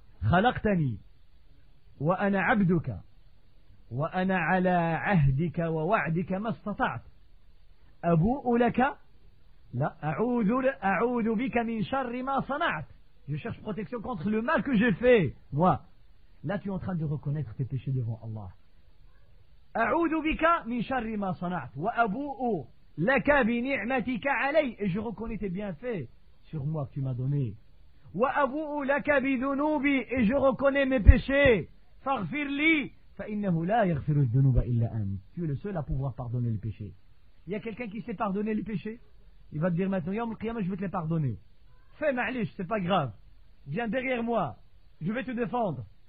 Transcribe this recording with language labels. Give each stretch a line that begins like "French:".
Arabic: خلقتني وأنا عبدك وأنا على عهدك ووعدك ما استطعت أبوء لك لا أعوذ بك من شر ما صنعت.
French: Je cherche protection contre le mal que j'ai fait, moi. Là tu es en train de reconnaître tes péchés devant Allah.
Arabic: أعوذ بك من شر ما صنعت وأبوء لك بنعمتك علي.
French: Et je reconnais tes bienfaits sur moi que tu m'as donné.
Arabic: وَأَبُوءُ لَكَ بِذُنُوبِ.
French: Et je reconnais mes péchés.
Arabic: فَغْفِرْ لِي فَإِنَّهُ لَا يَغْفِرُ الذُنُوبَ إِلَّا أَنْتَ.
French: Tu es le seul à pouvoir pardonner les péchés. Il y a quelqu'un qui sait pardonner les péchés? Il va te dire maintenant, يَوْمَ الْقِيَامَةِ, je vais te les pardonner. Fais ma'lish, c'est pas grave. Viens derrière moi. Je vais te défendre.